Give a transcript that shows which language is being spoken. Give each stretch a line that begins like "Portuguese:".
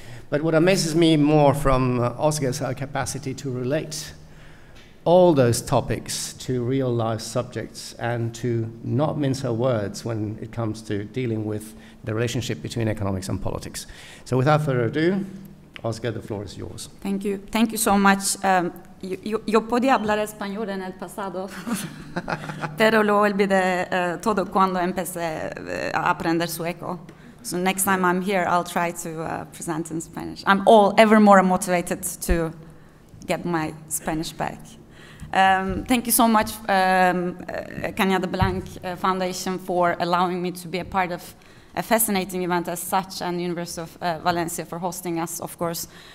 English: But what amazes me more from Özge is her capacity to relate all those topics to real life subjects and to not mince her words when it comes to dealing with the relationship between economics and politics. So without further ado, Özge, the floor is yours. Thank you. Thank you so much.
Spanish: Yo podía hablar español en el pasado, pero lo olvidé todo cuando empecé a aprender sueco.
English: So next time I'm here, I'll try to present in Spanish. I'm all ever more motivated to get my Spanish back. Thank you so much, Cañada Blanch Foundation, for allowing me to be a part of a fascinating event as such, and the University of Valencia for hosting us, of course.